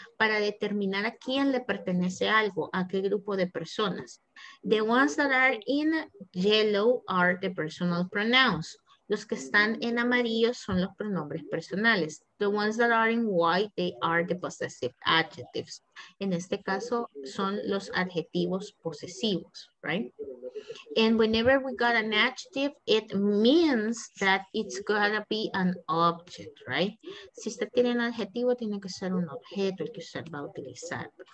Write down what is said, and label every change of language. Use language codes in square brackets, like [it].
[es] Para determinar a quién le pertenece algo, a qué grupo de personas. [en] The ones that are in yellow are the personal pronouns. [es] Los que están en amarillo son los pronombres personales. [en] The ones that are in white, they are the possessive adjectives. [es] En este caso, son los adjetivos posesivos, right? [en] And whenever we got an adjective, it means that it's gotta be an object, right? [es] Si usted tiene un adjetivo, tiene que ser un objeto que usted va a utilizar.